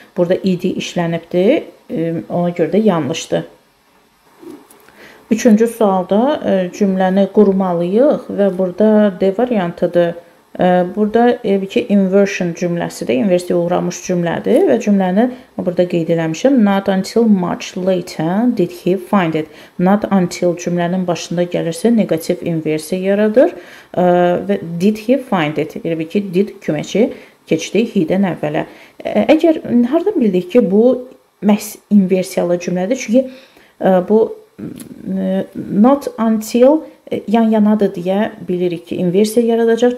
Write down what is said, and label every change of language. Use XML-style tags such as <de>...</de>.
<az>Burada ed işlənibdir, ona görə də yanlışdır. Üçüncü sualda cümləni qurmalıyıq və burada D variantıdır. Burada elbə ki, inversion cümləsidir, inversiyaya uğramış cümlədir və cümləni burada qeyd eləmişəm.</az> <en>Not until much later did he find it.</en> <az>Not until cümlənin başında gəlirsə, negativ inversiya yaradır və</az> <en>did he find it.</en> <az>Elbə ki, did köməkçi keçdi he-dən əvvələ. Əgər, haradan bildik ki, bu məhz inversiyalı cümlədir? Çünki bu not until yan-yanadır deyə bilirik ki, inversiya yaradacaq.</az>